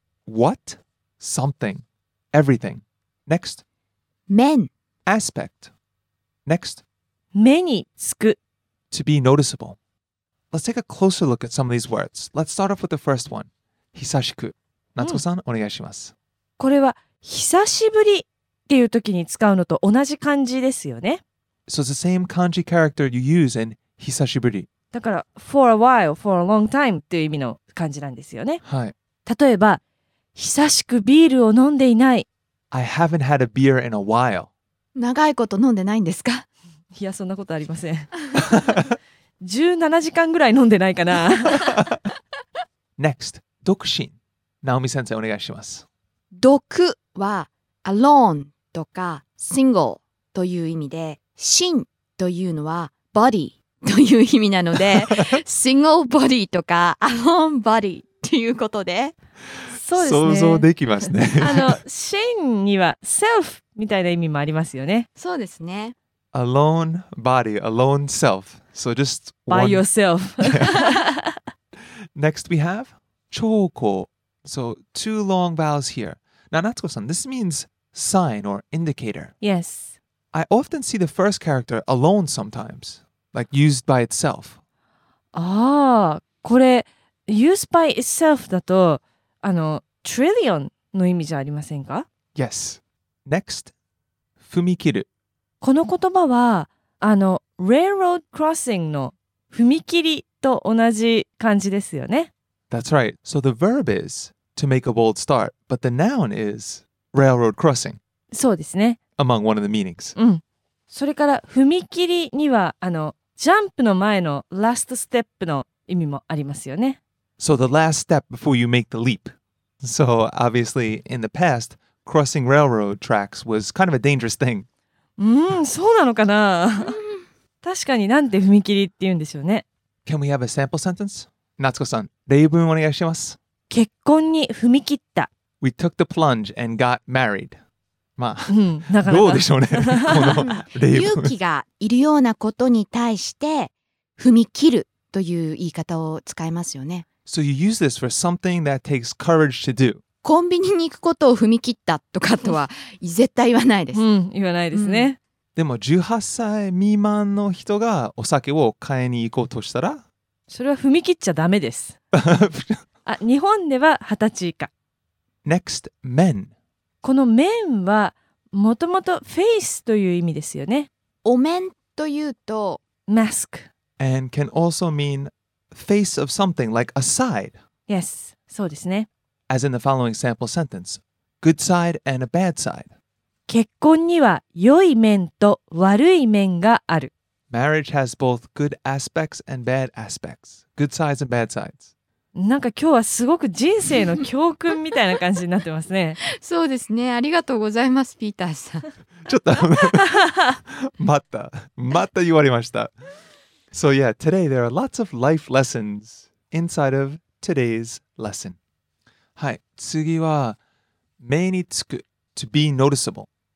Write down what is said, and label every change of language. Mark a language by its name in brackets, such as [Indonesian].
[English] What? Something. Everything. Next. Men. Aspect. Next. [Japanese] Meni tsuku. [English] To be noticeable. Let's take a closer look at some of these words. Let's start off with the first one. [Japanese] Hisashiku. Natsuko-san, onegai shimasu. これは久しぶりっていう時に使うのと同じ漢字ですよね。 [English] So it's the same kanji character you use in 久しぶり。 [Japanese] だから [English] for a while, for a long time [Japanese] っていう意味の漢字なんですよね。はい。例えば、久しくビールを飲んでいない。 [English] I haven't had a beer in a while. [Japanese] 長いこと飲んでないんですか？いや、そんなことありません。17時間ぐらい飲んでないかな。 [English] Next, 独身。 [Japanese] Naomi 先生お願いします。独は alone とか single という意味で、身というのは body という意味なので、single body とか alone body ということで、そうですね、想像できますね。あの身には self みたいな意味もありますよね。そうですね。 [English] Alone body, alone self. So just one... by yourself. Next we have chōkō. So two long vowels here. Now Natsuko-san, this means sign or indicator. Yes. I often see the first character alone sometimes, like used by itself. [Japanese] Ah, これ [English] used by itself [Japanese] だとあの trillion の意味じゃありませんか? [English] Yes. Next, fumikiru. [Japanese] この言葉はあの railroad crossing の踏切と同じ感じですよね。 [English] That's right. So the verb is to make a bold start, but the noun is railroad crossing. [Japanese] そうですね。 [English] Among one of the meanings. うん。 [Japanese] それから踏切にはあのジャンプの前の last step の意味もありますよね。 [English] So the last step before you make the leap. So obviously in the past, crossing railroad tracks was kind of a dangerous thing. [Japanese] そうなのかな確かになんて踏切って言うんでしょうね。 [English] Can we have a sample sentence? [Japanese] 夏子さん、例文お願いします。結婚に踏み切った。 [English] We took the plunge and got married. まあ、 [Japanese] うん、なかなかどうでしょうね、この例文。勇気がいるようなことに対して踏み切るという言い方を使いますよね。 So you use this for something that takes courage to do. コンビニに行くことを踏み切ったとかとは絶対言わないです。うん、言わないですね。うん、でも18歳未満の人がお酒を買いに行こうとしたら、それは踏み切っちゃダメです。あ、日本では20歳以下。 [English] Next, men. [Japanese] この men はもともと face という意味ですよね。お面というと [English] mask. And can also mean face of something like a side. [Japanese] Yes, そうですね。 [English] As in the following sample sentence, good side and a bad side. [Japanese] 結婚には良い面と悪い面がある。 [English] Marriage has both good aspects and bad aspects. Good sides and bad sides. [Japanese] なんか今日はすごく人生の教訓みたいな感じになってますね。そうですね。ありがとうございます、ピーターさん。ちょっと、また、また言われました。 [English] So yeah, today there are lots of life lessons inside of today's lesson. [Japanese] はい、次は、目につく、 [English] to be noticeable.